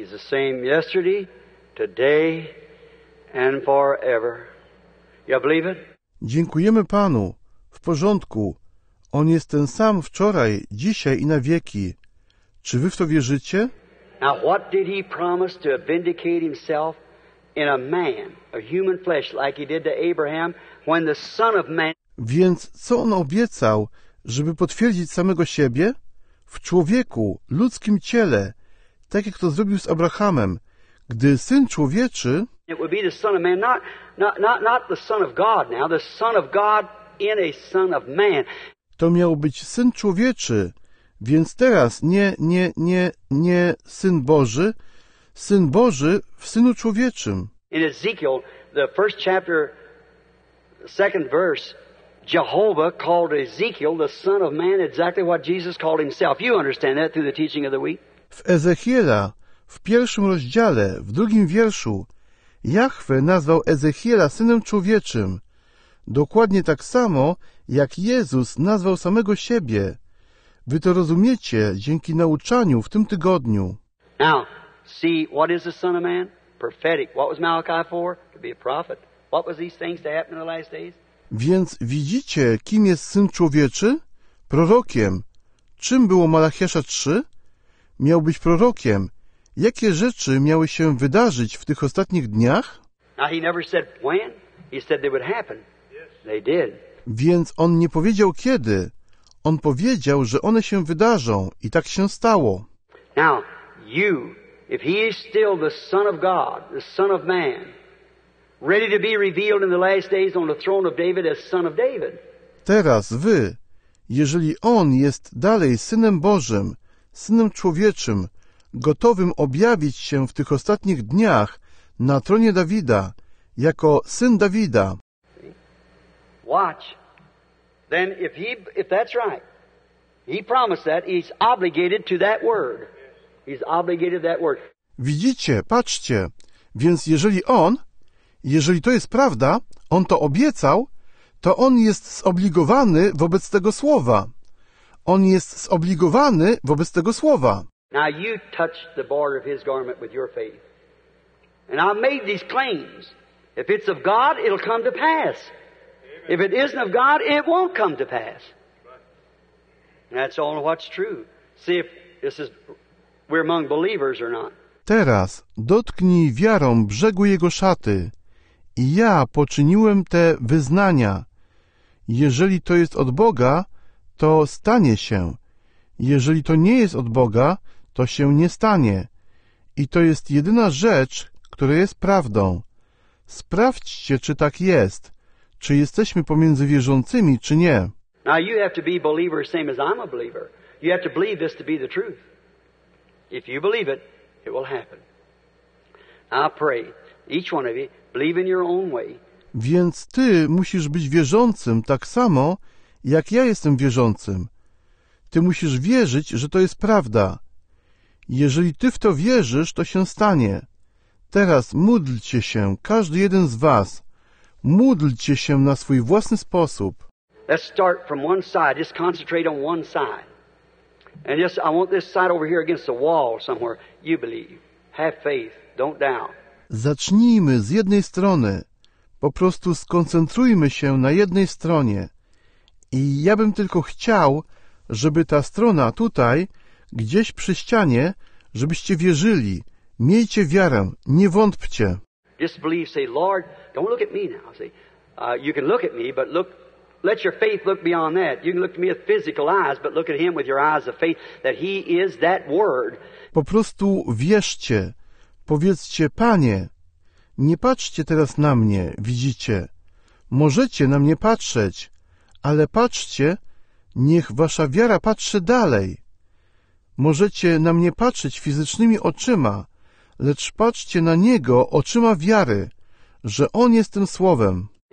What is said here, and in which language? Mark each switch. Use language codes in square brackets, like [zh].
[en] Same yesterday, today and forever. You believe it? [pl] Dziękujemy Panu. W porządku. On jest ten sam wczoraj, dzisiaj i na wieki. Czy wy w to wierzycie? [en] Now what did he promise to vindicate himself in a man, a human flesh, like he did to Abraham when the son of man... [pl] Więc co on obiecał, żeby potwierdzić samego siebie? W człowieku, ludzkim ciele, tak jak to zrobił z Abrahamem, gdy Syn Człowieczy... [en] It would be the Son of Man, not the Son of God now, the Son of God in a Son of Man. [pl] To miał być Syn Człowieczy, więc teraz nie Syn Boży, Syn Boży w Synu Człowieczym. [en] In Ezekiel, the first chapter, second verse, Jehovah called Ezekiel the son of man, exactly what Jesus called himself. You understand that through the teaching of the week? [pl] W Ezechiela, w pierwszym rozdziale, w drugim wierszu, Jahwe nazwał Ezechiela synem człowieczym, dokładnie tak samo, jak Jezus nazwał samego siebie. Wy to rozumiecie dzięki nauczaniu w tym tygodniu. [en] Now, see, what is the son of man? Prophetic. What was Malachi for? To be a prophet. What was these things to happen in the last days? [pl] Więc widzicie, kim jest Syn Człowieczy? Prorokiem. Czym było Malachiasza 3? Miał być prorokiem. Jakie rzeczy miały się wydarzyć w tych ostatnich dniach? [en] Now he never said when. He said they would happen. They did. [pl] Więc on nie powiedział kiedy. On powiedział, że one się wydarzą i tak się stało. [en] Now, you, if he is still the Son of God, the Son of Man, ready to be revealed in the last days on the throne of David as Son of David. [pl] Teraz wy, jeżeli on jest dalej Synem Bożym, Synem Człowieczym, gotowym objawić się w tych ostatnich dniach na tronie Dawida, jako Syn Dawida. [en] Watch. Then if that's right, he promised that, he's obligated to that word. He's obligated to that word. [pl] Widzicie, patrzcie. Więc jeżeli on, jeżeli to jest prawda, on to obiecał, to on jest zobligowany wobec tego słowa. On jest zobligowany wobec tego słowa. [en] Now you touched the border of his garment with your faith. And I made these claims. If it's of God, it'll come to pass. If it isn't of God, it won't come to pass. That's all what's true. See if this is we're among believers or not. [pl] Teraz dotknij wiarą brzegu jego szaty. I ja poczyniłem te wyznania. Jeżeli to jest od Boga, to stanie się. Jeżeli to nie jest od Boga, to się nie stanie. I to jest jedyna rzecz, która jest prawdą. Sprawdźcie, czy tak jest. Czy jesteśmy pomiędzy wierzącymi, czy nie? [en] Now you have to be a believer same as I'm a believer. You have to believe this to be the truth. If you believe it, it will happen. I pray, each one of you, believe in your own way. [pl] Więc ty musisz być wierzącym tak samo, jak ja jestem wierzącym. Ty musisz wierzyć, że to jest prawda. Jeżeli ty w to wierzysz, to się stanie. Teraz módlcie się, każdy jeden z was. Módlcie się na swój własny sposób. [en] Let's start from one side. Just concentrate on one side. And just, I want this side over here against the wall somewhere. You believe. Have faith. Don't doubt. [pl] Zacznijmy z jednej strony. Po prostu skoncentrujmy się na jednej stronie. I ja bym tylko chciał, żeby ta strona tutaj, gdzieś przy ścianie, żebyście wierzyli. Miejcie wiarę. Nie wątpcie. [en] Just believe. Say, Lord, don't look at me now. See, you can look at me, but look, let your faith look beyond that. You can look at me with physical eyes, but look at him with your eyes of faith, that he is that word. [pl] Po prostu wierzcie. Powiedzcie, Panie, nie patrzcie teraz na mnie, widzicie. Możecie na mnie patrzeć, ale patrzcie, niech wasza wiara patrzy dalej. Możecie na mnie patrzeć fizycznymi oczyma, lecz patrzcie na Niego oczyma wiary, że On jest tym Słowem.